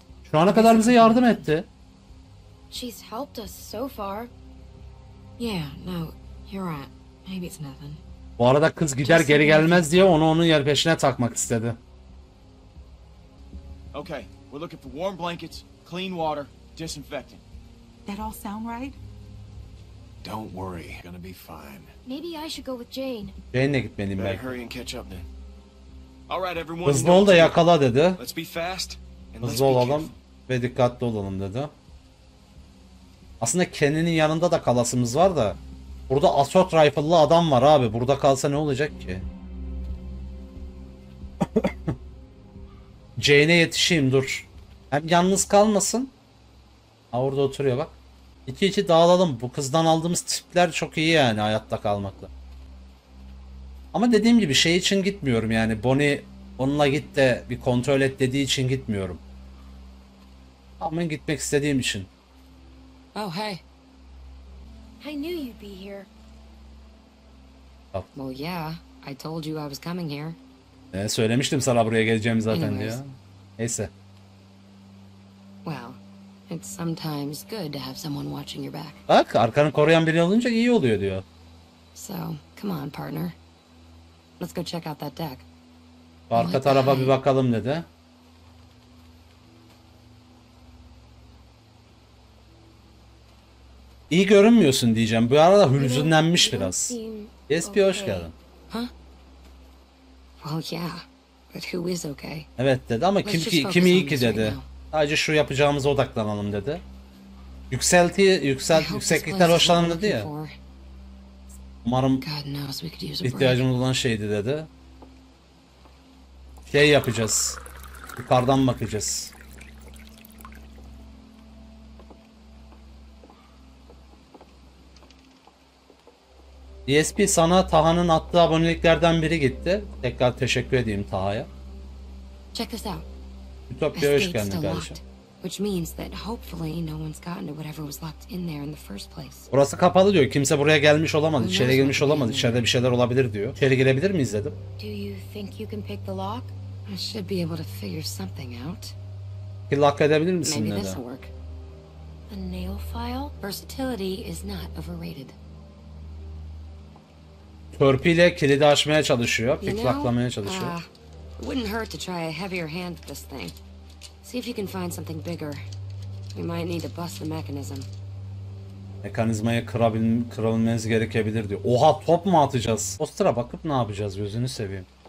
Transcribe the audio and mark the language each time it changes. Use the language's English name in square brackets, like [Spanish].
[Turkish] Şu ana kadar bize yardım etti. [English] She's helped us so far. Yeah, no, you're right. Maybe it's nothing. [Turkish] Bu arada kız gider geri gelmez diye onun yer peşine takmak istedi. [English] Okay, we're looking for warm blankets, clean water, disinfectant. That all sound right? Don't worry, it's gonna be fine. Maybe I should go with Jane. [Turkish] Jane'le gitmeliyim ben. [English] Hurry and catch up then. [Turkish] Hızlı ol da yakala dedi. Hızlı olalım ve dikkatli olalım dedi. Aslında Kenny'nin yanında da kalasımız var da. Burada assault rifle'lı adam var abi. Burada kalsa ne olacak ki? Jane'e yetişeyim dur. Hem yalnız kalmasın. Ha, orada oturuyor bak. İki iki dağılalım. Bu kızdan aldığımız tipler çok iyi yani hayatta kalmakla. Ama dediğim gibi şey için gitmiyorum yani. Bonnie onunla git de bir kontrol et dediği için gitmiyorum. Ama gitmek istediğim için. [English] Oh hey. I knew you'd be here. Oh. Well yeah, I told you I was coming here. [Turkish] Söylemiştim sana buraya geleceğimi zaten diyor. Neyse. [English] Well, it's sometimes good to have someone watching your back. [Turkish] Bak, arkanı koruyan biri olunca iyi oluyor diyor. [English] So, come on, partner. Let's go check out that deck. [Turkish] Arka tarafa bir bakalım dedi. İyi görünmüyorsun diyeceğim. Bu arada hüzünlenmiş biraz. Espi hoş geldin. [English] Well, yeah. But who is okay? [Turkish] Evet dedi ama kim iyi ki dedi. Sadece şu yapacağımıza odaklanalım dedi. Yükseklikten hoşlanın dedi ya. Umarım ihtiyacımız olan şeydi dedi. Şey yapacağız. Yukarıdan bakacağız. ESP sana Taha'nın attığı aboneliklerden biri gitti. Tekrar teşekkür edeyim Taha'ya. [English] Check this out. [Turkish] Ütopya hoş geldin kardeşim. [English] Which means that hopefully no one's gotten to whatever was locked in there in the first place. [Turkish] Burası kapalı diyor. Kimse buraya gelmiş olamaz. İçeri girmiş olamaz. İçeride bir şeyler olabilir diyor. İçeri girebilir miyiz dedim. [English] Do you think you can pick the lock? I should be able to figure something out. [Turkish] Bir lock edebilir misin dedi. [English] Maybe this will work. A nail file? Versatility is not overrated. [Turkish] Törpüyle kilidi açmaya çalışıyor, picklocklamaya çalışıyor. [English] It wouldn't hurt to try a heavier hand with this thing. See if you can find something bigger. We might need to bust the mechanism. [Turkish] Mekanizmayı kırabilmeniz gerekebilir diyor. Oha top mu atacağız? Postura bakıp ne yapacağız gözünü seveyim.